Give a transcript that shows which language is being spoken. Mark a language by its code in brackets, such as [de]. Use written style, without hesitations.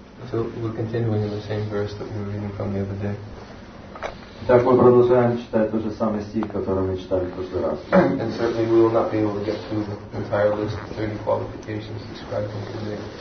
[en] So we continue in the same verse that we were reading from the other day. [ru] Итак, мы продолжаем читать тот же самый стих, который мы читали в прошлый раз. [en] And certainly we will not be able to get through the entire list of 30 qualifications described in today.